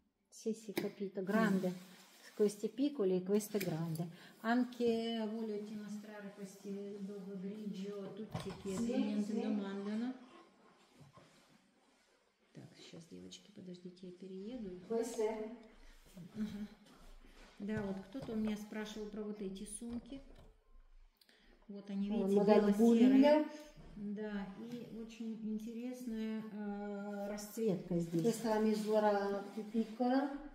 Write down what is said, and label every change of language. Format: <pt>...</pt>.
<it>Sì, capito, grande. Questi piccoli e queste grandi. Anche voglio ti mostrare questi dove grigio, tutti che sì. Domandano.</it> <ru>Сейчас, девочки, подождите, я перееду. Костя? Да, вот кто-то у меня спрашивал про вот эти сумки. Вот они, видите, бело-серые. Да, и очень интересная расцветка здесь.</ru> <it>Questa misura più piccola.</it>